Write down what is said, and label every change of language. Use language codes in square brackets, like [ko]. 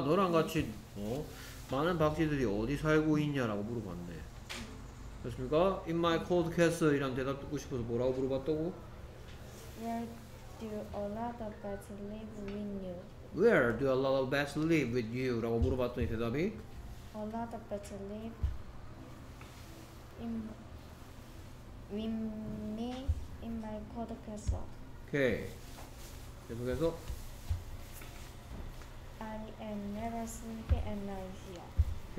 [ko] 너랑 같이 많은 박쥐들이 어디 살고 있냐라고 물어봤네. 됐습니까? [en] In my cold castle [ko] 이란 대답 듣고 싶어서 뭐라고 물어봤다고? [en] Where do a lot of bats live with you? Where do a lot of bats live with you? [ko] 라고 물어봤더니 대답이 [en] A lot of bats live with me in my cold castle. [ko] Okay. 계속해서 [en] I am never sleepy at night here.